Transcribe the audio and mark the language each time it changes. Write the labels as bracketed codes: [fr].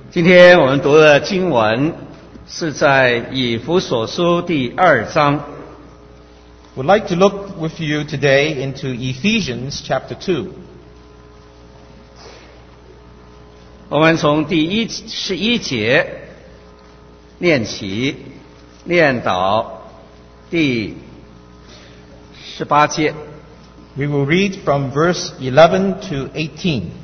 [zh] 今天我们读的经文是在以弗所书第二章。 [en] We'd like to look with you today into Ephesians chapter 2. [zh] 我们从第一十一节念起，念到第十八节。 [en] We will read from verse 11 to 18.